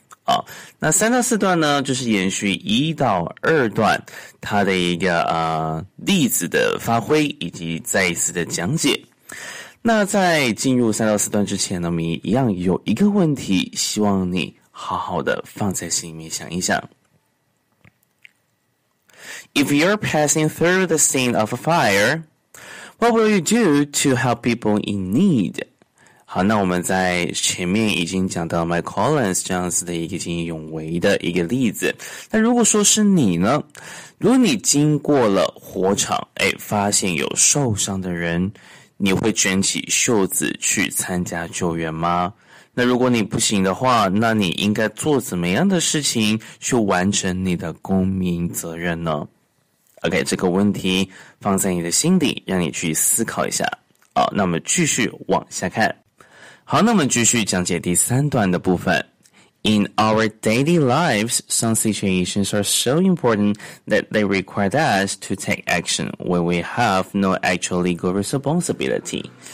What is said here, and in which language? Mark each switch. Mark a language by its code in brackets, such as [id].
[zh] 啊，那三到四段呢，就是延续一到二段它的一个例子的发挥以及再一次的讲解。那在进入三到四段之前呢，我们一样有一个问题，希望你好好的放在心里面想一想。 [en] If you're passing through the scene of a fire, what will you do to help people in need? [zh] 好，那我们在前面已经讲到 Mike Collins 这样子的一个见义勇为的一个例子。那如果说是你呢，如果你经过了火场，诶，发现有受伤的人，你会卷起袖子去参加救援吗？那如果你不行的话，那你应该做怎么样的事情去完成你的公民责任呢？ OK， 这个问题放在你的心底，让你去思考一下。好，那我们继续往下看。好，那我们继续讲解第三段的部分。 [en] In our daily lives, some situations are so important that they require us to take action when we have no actual legal responsibility.